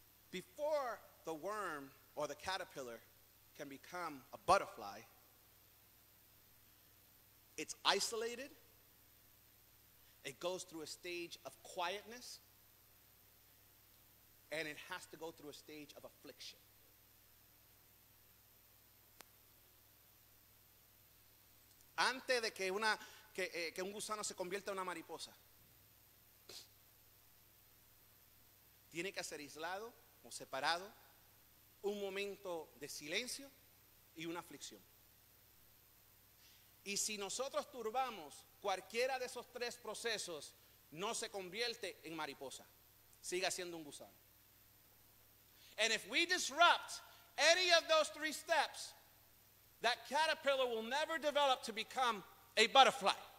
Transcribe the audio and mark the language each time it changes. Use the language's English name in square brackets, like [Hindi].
[English] Before the worm or the caterpillar can become a butterfly, it's isolated, it goes through a stage of quietness, and it has to go through a stage of affliction. [Spanish] Antes de que un gusano se convierta en una mariposa, tiene que ser aislado o separado, un momento de silencio y una aflicción. Y si nosotros turbamos cualquiera de esos tres procesos, no se convierte en mariposa, sigue siendo un gusano. [English] And if we disrupt any of those three steps, that caterpillar will never develop to become a butterfly.